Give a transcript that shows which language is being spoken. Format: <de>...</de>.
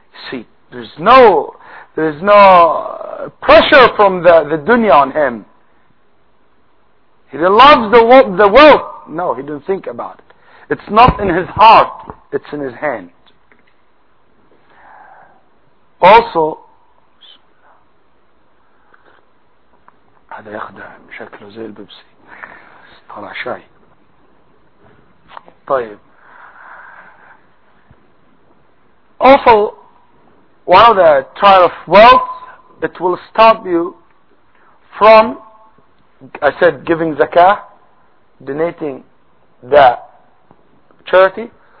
<en>See, there's no pressure from the dunya on him. He loves the wealth. No, he didn't think about it. It's not in his heart, it's in his hand.</en> <ar>Also, هذا يخدع شكله زي البيبسي طلع شاي.</ar> <en>طيب, also one of the trial of wealth, it will stop you from, I said, giving zakah, donating the charity.</en>